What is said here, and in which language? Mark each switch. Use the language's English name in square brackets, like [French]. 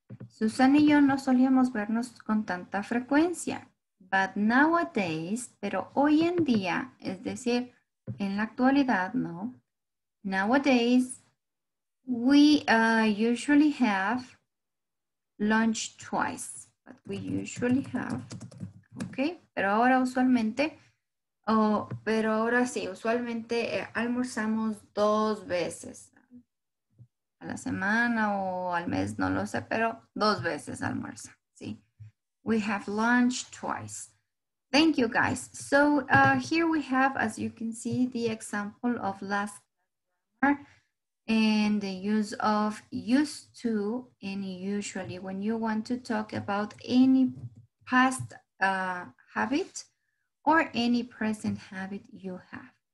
[Spanish] Susan y yo no solíamos vernos con tanta frecuencia, but nowadays, pero hoy en día, es decir, en la actualidad, no. [English] Nowadays, we usually have lunch twice. But we usually have, ¿ok? [Spanish] Pero ahora usualmente, pero ahora sí, usualmente almorzamos dos veces a la semana o al mes, no lo sé, pero dos veces almuerza, ¿sí? [English] We have lunch twice. Thank you, guys. So here we have, as you can see, the example of last grammar and the use of used to and usually. When you want to talk about any past habit or any present habit you have.